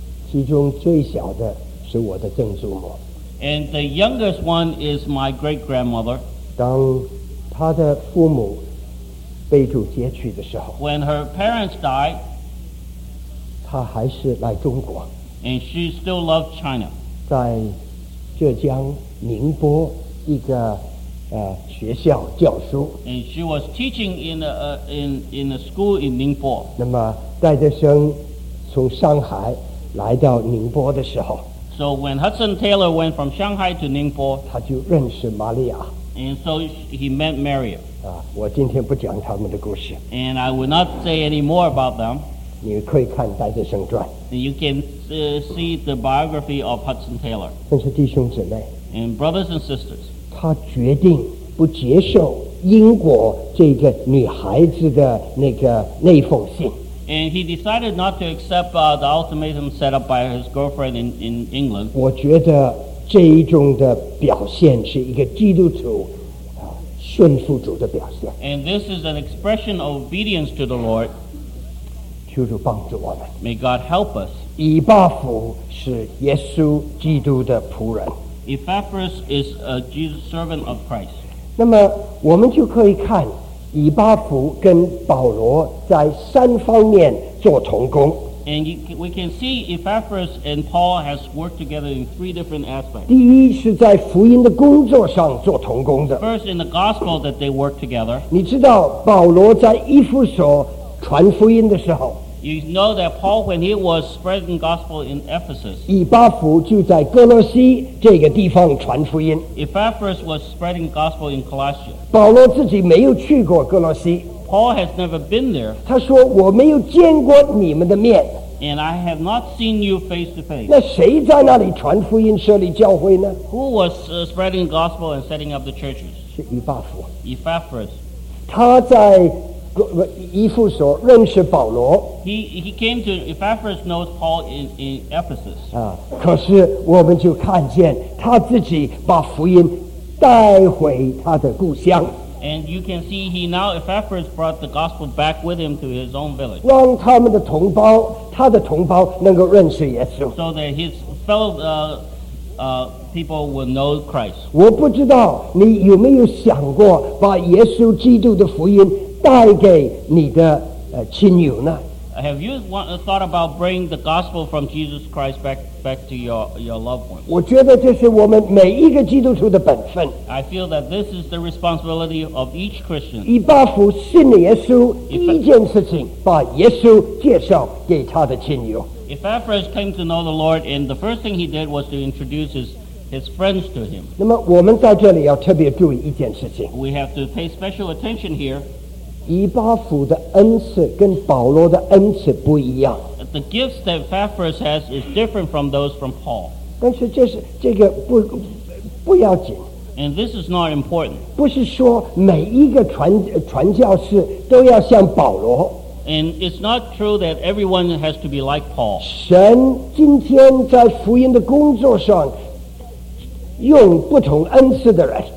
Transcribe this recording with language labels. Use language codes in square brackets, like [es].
[zh] 其中最小的是我的曾祖母。 [en] And the youngest one is my great grandmother. [zh] 当他的父母被主接去的时候。 [en] When her parents died. [zh] 他还是来中国。 [en] And she still loved China. [zh] 在浙江宁波一个学校教书。 [en] And she was teaching in a school in Ningbo. [zh] 那么戴德生从上海来到宁波的时候。 [en] So when Hudson Taylor went from Shanghai to Ningbo, [zh] 他就认识玛利亚。 [en] And so he met Mary. [zh] 我今天不讲他们的故事。 [en] And I will not say any more about them. [zh] 你可以看戴德生传。 [en] You can see the biography of Hudson Taylor. [zh] 但是弟兄姊妹。 [en] And brothers and sisters. [zh] 他决定不接受英国这个女孩子的那封信。 [en] And he decided not to accept the ultimatum set up by his girlfriend in England. [zh] 我觉得这一种的表现是一个基督徒顺服主的表现。 [en] And this is an expression of obedience to the Lord. [zh] 求主帮助我们。 [en] May God help us. [zh] 以巴弗是耶稣基督的仆人。 [en] Epaphras is a Jesus servant of Christ. [zh] 那么我们就可以看以巴弗跟保罗在三方面做同工。 [en] And we can see Epaphras and Paul has worked together in three different aspects. [zh] 第一是在福音的工作上做同工的。 [en] First in the gospel that they work together. [zh] 你知道保罗在以弗所传福音的时候 [en] ，You know that Paul when he was spreading gospel in Ephesus， [zh] 以巴弗就在哥罗西这个地方传福音。 [en] Epaphras was spreading gospel in Colossae。 [zh] 保罗自己没有去过哥罗西 [en] ，Paul has never been there。 [zh] 他说我没有见过你们的面 [en] ，And I have not seen you face to face。 [zh] 那谁在那里传福音设立教会呢 [en] ？Who was spreading gospel and setting up the churches？ [zh] 是以巴弗。 [en] Epaphras， [zh] 他在以弗所认识保罗。 [en] He came to Ephesus, knows Paul in Ephesus. [zh] 啊，可是我们就看见他自己把福音带回他的故乡。 [en] And you can see he now Ephesus brought the gospel back with him to his own village. [zh] 让他们的同胞，他的同胞能够认识耶稣。 [en] So that his fellow people will know Christ. [zh] 我不知道你有没有想过把耶稣基督的福音带给你的亲友呢？ [en] Have you thought about bringing the gospel from Jesus Christ back to your loved one? [zh] 我觉得这是我们每一个基督徒的本分。 [en] I feel that this is the responsibility of each Christian. [zh] 以巴弗信耶稣，第一件事情把耶稣介绍给他的亲友。 [en] If Ephraim came to know the Lord, and the first thing he did was to introduce his friends to him. [zh] 那么我们在这里要特别注意一件事情。 [en] We have to pay special attention here. [zh] 以巴弗的恩赐跟保罗的恩赐不一样。 [en] The gifts that Epaphras has is different from those from Paul. [zh] 但是这个不要紧。 [en] And this is not important. [zh] 不是说每一个传教士都要像保罗。 [en] And it's not true that everyone has to be like Paul. [zh] 神今天在福音的工作上用不同恩赐的人。